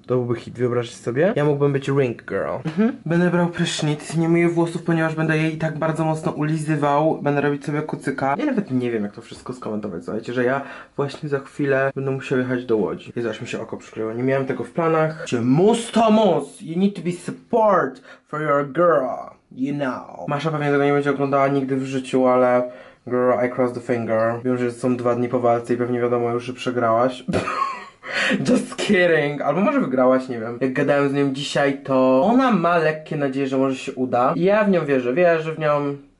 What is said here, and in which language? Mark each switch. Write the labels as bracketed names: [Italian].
[Polish] To byłby hit, wyobraźcie sobie. Ja mógłbym być ring girl. Będę brał prysznic, nie myję włosów, ponieważ będę jej i tak bardzo mocno ulizywał. Będę robić sobie kucyka. Ja nawet nie wiem jak to wszystko skomentować, słuchajcie, że ja właśnie za chwilę będę musiał jechać do Łodzi. Jezu, aż mi się oko przykryło, nie miałem tego w planach. [English] Must to must, you need to be support for your girl, you know. [Polish] Masza pewnie tego nie będzie oglądała nigdy w życiu, ale... [English] Girl, I cross the finger. [Polish] Wiem, że są 2 dni po walce i pewnie wiadomo już, że przegrałaś. [English] Just kidding. [Polish] Albo może wygrałaś, nie wiem. Jak gadałem z nią dzisiaj, to ona ma lekkie nadzieje, że może się uda. I ja w nią wierzę. Wierzę w nią.